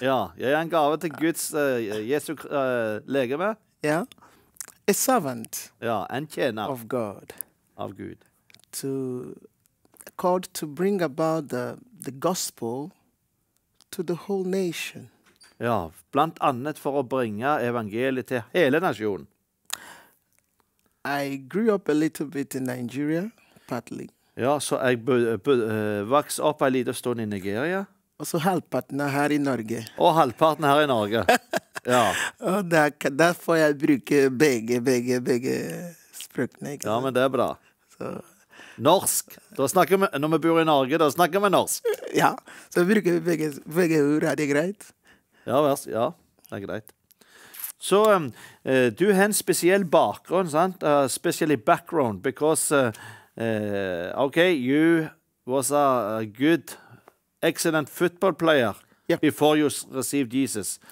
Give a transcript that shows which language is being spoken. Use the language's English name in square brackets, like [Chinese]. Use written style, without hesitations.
[Norwegian] Ja, jeg er en gave til Guds Jesu legeme. [English] Ja. A servant. [Norwegian] Ja, en tjener. [English] Of God. [Norwegian] Av Gud. [English] To, called to bring about the gospel to the whole nation. [Norwegian] Ja, blant annet for å bringe evangeliet til hele nasjonen. [English] I grew up a little bit in Nigeria, partly. [Norwegian] Ja, så jeg vokste opp en liten stund i Nigeria. Og så halvparten her i Norge. Og halvparten her i Norge, ja. Og der får jeg bruke begge språkene. Ja, men det er bra. Så. Norsk, da snakker vi, når vi bor i Norge, da snakker vi norsk. Ja, så bruker vi begge ord, er det greit? Ja, det er greit. Så du har en spesiell bakgrunn, sant? [English] Especially background, because, okay, you was a good, excellent football player before you received Jesus.